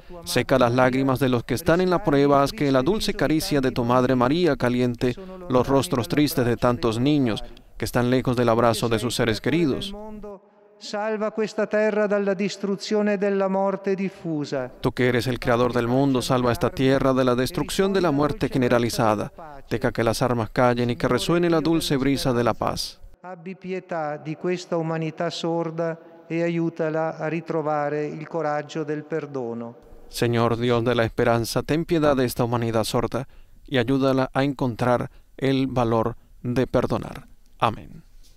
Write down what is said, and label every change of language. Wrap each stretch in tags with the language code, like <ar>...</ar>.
<es>Seca las lágrimas de los que están en la prueba, haz que la dulce caricia de tu Madre María caliente los rostros tristes de tantos niños que están lejos del abrazo de sus seres queridos. Salva esta tierra de la destrucción de la muerte difusa. Tú que eres el creador del mundo, salva esta tierra de la destrucción de la muerte generalizada. Deja que las armas callen y que resuene la dulce brisa de la paz.</es> <it>Abbi pietà di questa umanità sorda e aiutala a ritrovare il coraggio del perdono.</it> <es>Señor Dios de la esperanza, ten piedad de esta humanidad sorda y ayúdala a encontrar el valor de perdonar. Amén.</es>